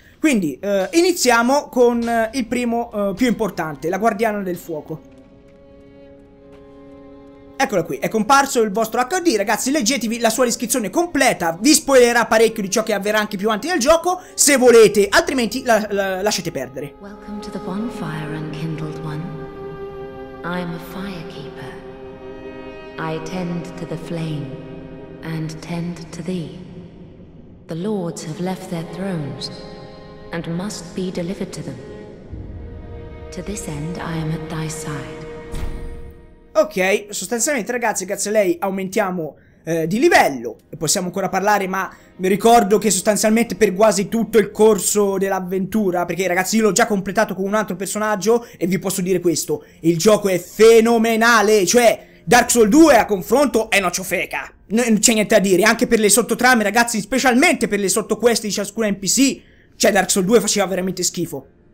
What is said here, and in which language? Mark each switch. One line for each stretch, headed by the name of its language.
Italian: Quindi, iniziamo con il primo più importante, la guardiana del fuoco. Eccola qui, è comparso il vostro HUD, ragazzi, leggetevi la sua descrizione completa, vi spoilerà parecchio di ciò che avverrà anche più avanti nel gioco, se volete, altrimenti lasciate perdere.
English: Welcome to the bonfire, unkindled one. I am a firekeeper. I tend to the flame and tend to thee. The lords have left their thrones and must be delivered to them. To this end I am at thy side.
Italian: Ok, sostanzialmente ragazzi, grazie a lei aumentiamo di livello, possiamo ancora parlare, ma mi ricordo che sostanzialmente per quasi tutto il corso dell'avventura, perché ragazzi io l'ho già completato con un altro personaggio e vi posso dire questo, il gioco è fenomenale, cioè Dark Souls 2 a confronto è nocio feca, non c'è niente da dire, anche per le sottotrame ragazzi, specialmente per le sottoquest di ciascun NPC, cioè Dark Souls 2 faceva veramente schifo.